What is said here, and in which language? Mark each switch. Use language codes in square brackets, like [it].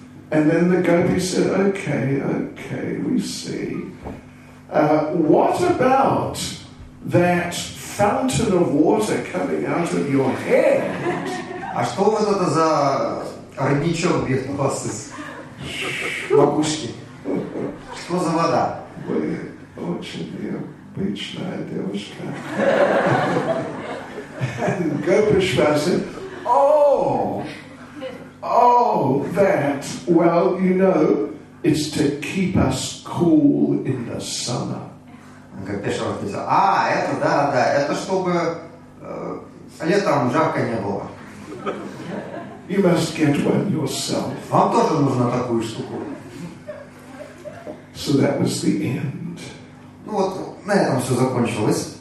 [en] And then the gopi said, okay, we see. What about that fountain of water coming out of your head? [ru] А что вот это за родничок бьет на вас из макушки? Что за вода? Вы очень необычная девушка. [en] And Gopeshwar said, oh, Oh, that. Well, you know, it's to keep us cool in the summer. [ru] Как Пешер ответил, а, это, да, да, это чтобы летом жарко не было. [en] You must get one yourself. [ru] Вам тоже нужна такую штуку. [en] So that was the end. [ru] Ну вот, на этом все закончилось.